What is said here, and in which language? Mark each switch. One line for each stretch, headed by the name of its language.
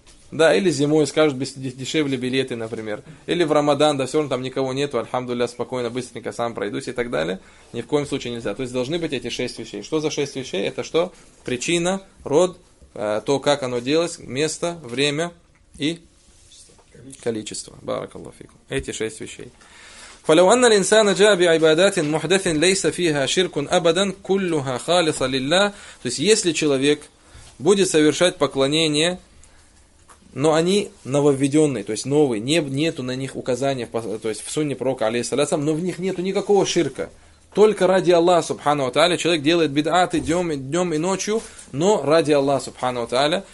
Russian: Да, или зимой скажут дешевле билеты, например. Или в Рамадан, да все равно там никого нету, альхамдулля, спокойно, быстренько сам пройдусь и так далее. Ни в коем случае нельзя. То есть должны быть эти шесть вещей. Что за шесть вещей? Это что? Причина, род, то, как оно делалось, место, время и количество. Баракаллаху фикум. Эти шесть вещей.
Arabic: فلو أن الإنسان جاء بعبادات محدث ليس فيها شرك أبدا كلها خالصة لله.
Russian: То есть если человек будет совершать поклонение, но они нововведенные, то есть новые, нету на них указания, то есть в сунне пророка, алейхиссалям, но в них нету никакого ширка. Только ради Аллаха, субхану ва тааля, человек делает бид'аты днем и ночью, но ради Аллаха, субхану ва тааля.